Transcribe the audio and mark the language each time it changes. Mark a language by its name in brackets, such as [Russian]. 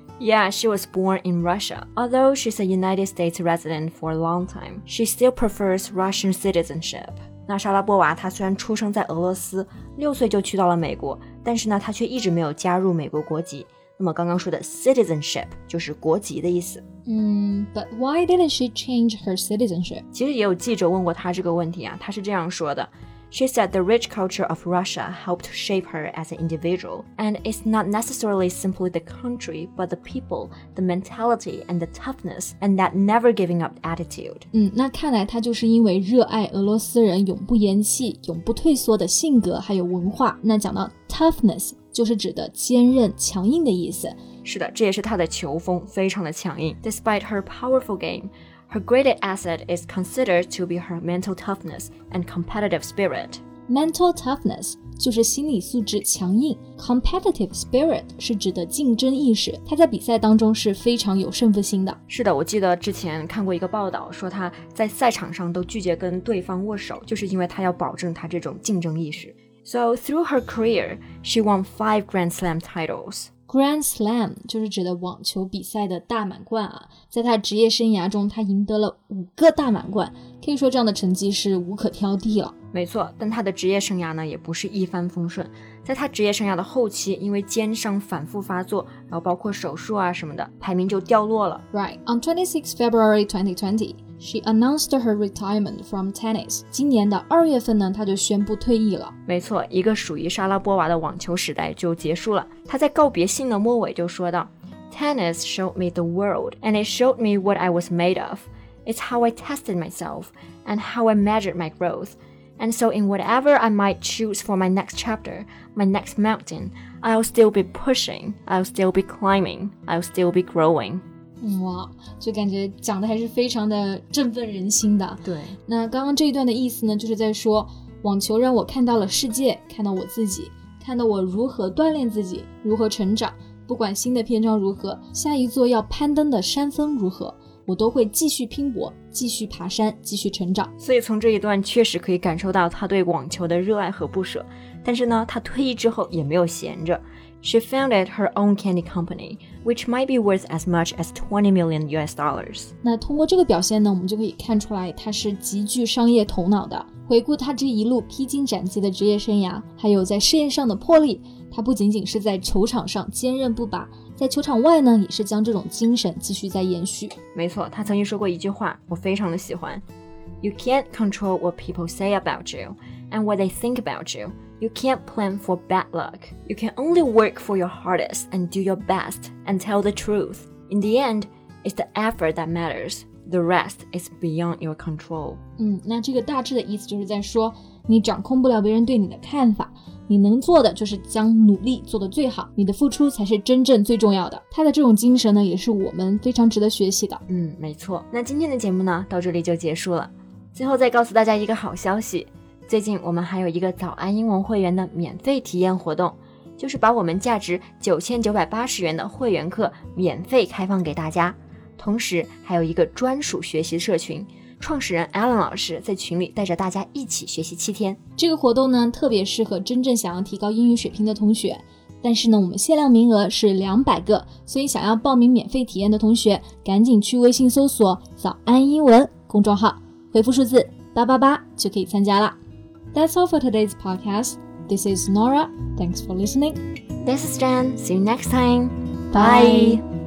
[English] Yeah, she was born in Russia. Although she's a United States resident for a long time, she still prefers Russian citizenship. [Chinese] 那莎拉波娃她虽然出生在俄罗斯，六岁就去到了美国，但是呢她却一直没有加入美国国籍，那么刚刚说的 citizenship 就是国籍的意思。 [English] But why didn't she change her citizenship? [Chinese] 其实也有记者问过她这个问题啊，她是这样说的。 [English] She said the rich culture of Russia helped shape her as an individual, and it's not necessarily simply the country, but the people, the mentality, and the toughness, and that never giving up attitude. [Chinese] 那看来她就是因为热爱俄罗斯人永不言弃、永不退缩的性格还有文化。那讲到 toughness, 就是指的坚韧、强硬的意思。是的，这也是她的球风，非常的强硬。 [English] Despite her powerful game,Her greatest asset is considered to be her mental toughness and competitive spirit. [Chinese] Mental toughness 就是心理素质强硬 ,competitive spirit 是指的竞争意识。她在比赛当中是非常有胜负心的。是的，我记得之前看过一个报道，说她在赛场上都拒绝跟对方握手，就是因为她要保证她这种竞争意识。 [English] So through her career, she won 5 Grand Slam titles. [Chinese] Grand Slam 就是指的网球比赛的大满贯啊，在他职业生涯中，他赢得了5个大满贯，可以说这样的成绩是无可挑剔了。没错，但他的职业生涯呢，也不是一帆风顺。在他职业生涯的后期，因为肩伤反复发作，然后包括手术啊什么的，排名就掉落了。 [English] Right, on 26 February 2020, she announced her retirement from tennis. [Chinese] 今年的二月份呢，他就宣布退役了。没错，一个属于莎拉波娃的网球时代就结束了。他在告别信的末尾就说道 [English] ,Tennis showed me the world, and it showed me what I was made of. It's how I tested myself, and how I measured my growth. And so in whatever I might choose for my next chapter, my next mountain, I'll still be pushing, I'll still be climbing, I'll still be growing. [Chinese] 哇，就感觉讲的还是非常的振奋人心的。对。那刚刚这一段的意思呢，就是在说，网球让我看到了世界，看到我自己，看到我如何锻炼自己，如何成长，不管新的篇章如何，下一座要攀登的山峰如何。我都会继续拼搏，继续爬山，继续成长。所以从这一段确实可以感受到他对网球的热爱和不舍。但是呢，他退役之后也没有闲着。 [English] She founded her own candy company, which might be worth as much as $20 million. [Chinese] 那通过这个表现呢，我们就可以看出来他是极具商业头脑的。回顾他这一路披荆斩棘的职业生涯，还有在事业上的魄力，他不仅仅是在球场上坚韧不拔。在球场外呢，也是将这种精神继续在延续。没错，他曾经说过一句话，我非常的喜欢。 [English] You can't control what people say about you, and what they think about you. You can't plan for bad luck. You can only work for your hardest and do your best and tell the truth. In the end, it's the effort that matters. The rest is beyond your control. [Chinese] 那这个大致的意思就是在说，你掌控不了别人对你的看法。你能做的就是将努力做得最好，你的付出才是真正最重要的。他的这种精神呢，也是我们非常值得学习的。没错。那今天的节目呢，到这里就结束了。最后再告诉大家一个好消息，最近我们还有一个早安英文会员的免费体验活动，就是把我们价值9980元的会员课免费开放给大家，同时还有一个专属学习社群。创始人 Alan 老师在群里带着大家一起学习7天。这个活动呢，特别适合真正想要提高英语水平的同学。但是呢，我们限量名额是200个，所以想要报名免费体验的同学，赶紧去微信搜索“早安英文”公众号，回复数字888就可以参加了。 [English] That's all for today's podcast. This is Nora. Thanks for listening. This is Jen. See you next time. Bye.